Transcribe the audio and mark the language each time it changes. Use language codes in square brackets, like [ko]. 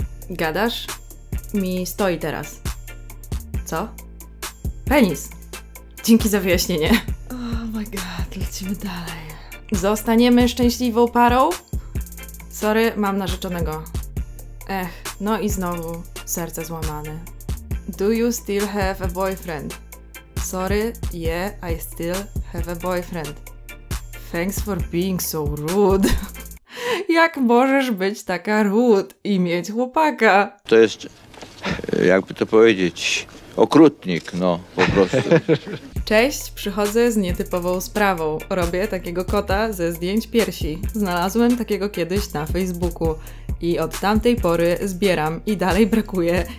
[pl] Gadasz? Mi stoi teraz. Co? Penis. Dzięki za wyjaśnienie. [en] Oh my god, [pl] lecimy dalej. Zostaniemy szczęśliwą parą? Sorry, mam narzeczonego. Ech, no i znowu serce złamane. [en] Do you still have a boyfriend? Sorry, yeah, I still have a boyfriend. Thanks for being so rude. [pl] Jak możesz być taka rude i mieć chłopaka? To jest, jakby to powiedzieć, okrutnik, no, po prostu. Cześć, przychodzę z nietypową sprawą. Robię takiego kota ze zdjęć piersi. Znalazłem takiego kiedyś na Facebooku i od tamtej pory zbieram i dalej brakuje.